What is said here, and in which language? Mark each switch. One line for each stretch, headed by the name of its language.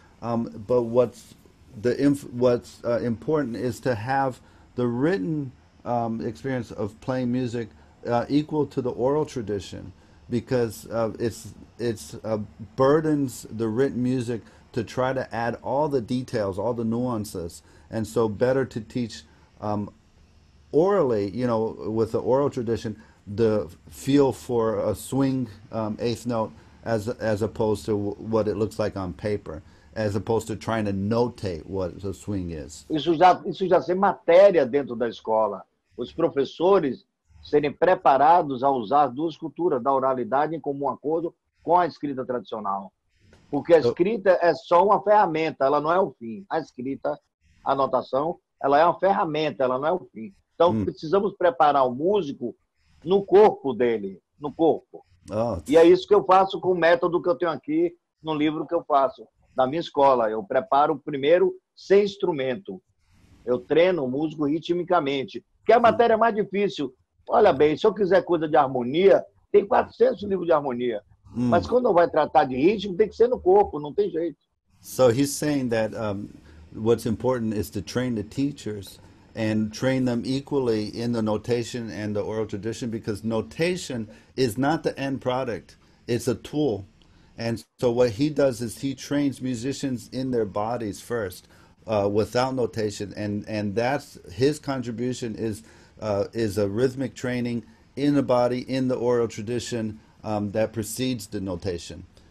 English: But what's important is to have the written experience of playing music equal to the oral tradition, because it's burdens the written music to try to add all the details, all the nuances, and so better to teach orally, you know, with the oral tradition, the feel for a swing eighth note as opposed to what it looks like on paper, as opposed to trying to notate what the swing is.
Portuguese: Isso já ser matéria dentro da escola. Os professores serem preparados a usar as duas culturas, da oralidade em comum acordo com a escrita tradicional. Porque a escrita é só uma ferramenta, ela não é o fim. A escrita, a notação, ela é uma ferramenta, ela não é o fim. Então, precisamos preparar o músico no corpo dele, no corpo. E é isso que eu faço com o método que eu tenho aqui no livro que eu faço. Na minha escola, eu preparo primeiro sem instrumento. Eu treino o músico ritmicamente, que é a matéria mais difícil. Olha bem, se eu quiser coisa de harmonia, tem 400 livros de harmonia. Mas quando vai tratar de ritmo, tem que ser no corpo, não tem jeito.
English: So he's saying that what's important is to train the teachers and train them equally in the notation and the oral tradition, because notation is not the end product, it's a tool. And so what he does is he trains musicians in their bodies first, without notation, and that's his contribution is a rhythmic training in the body, in the oral tradition, that precedes the notation.